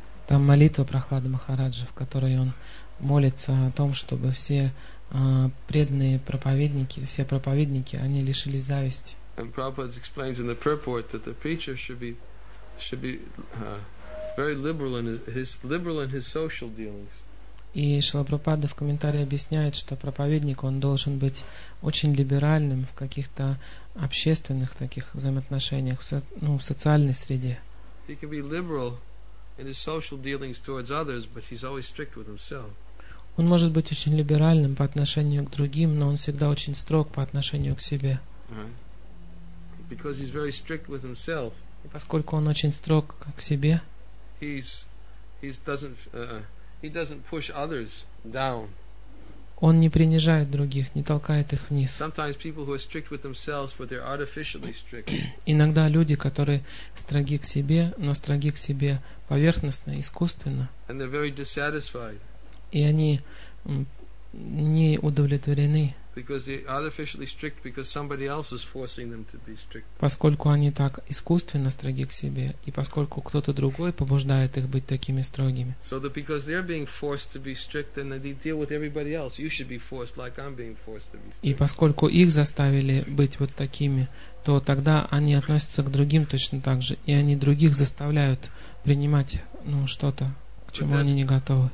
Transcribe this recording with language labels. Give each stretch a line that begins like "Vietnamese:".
Russian: Там молитва Прахлады Махараджа, в которой он молится о том, чтобы все преданные проповедники, все проповедники, они лишились зависти.
English: And Prabhupada explains in the purport that the preacher should be very liberal in his social dealings.
Russian: И Шрила Прабхупада в комментарии объясняет, что проповедник, он должен быть очень либеральным в каких-то общественных таких взаимоотношениях, ну, в социальной среде.
English: He can be liberal in his social dealings towards others, but he's always strict with himself.
Russian: Он может быть очень либеральным по отношению к другим, но он всегда очень строг по отношению к себе.
English: Right. Because he's very strict with himself.
Russian: И поскольку он очень строг к себе,
English: He doesn't push others down.
Russian: Он не принижает других, не толкает их вниз.
English: Sometimes people who are strict with themselves, but they're artificially strict.
Russian: Иногда люди, которые строги к себе, но строги к себе поверхностно, искусственно.
English: And they're very dissatisfied.
Russian: И они не удовлетворены.
English: Because they're artificially strict because somebody else is forcing them to be strict.
Russian: Поскольку они так искусственно строги к себе, и поскольку кто-то другой побуждает их быть такими строгими.
English: So that because they're being forced to be strict, then they deal with everybody else. You should be forced like I'm being forced to be strict.
Russian: И поскольку их заставили быть вот такими, то тогда они относятся к другим точно так же, и они других заставляют принимать, ну, что-то, к чему они не готовы.